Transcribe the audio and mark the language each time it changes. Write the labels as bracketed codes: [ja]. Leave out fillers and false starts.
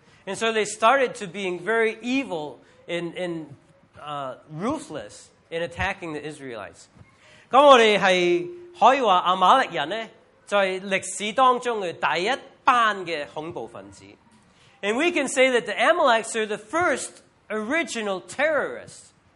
[en] And so they started to being very evil and ruthless in attacking the Israelites. [yue] 咁我哋係可以話阿瑪勒人咧，在歷史當中嘅第一班嘅恐怖分子。 [en] And we can say that the Amalekites are the first original terrorists.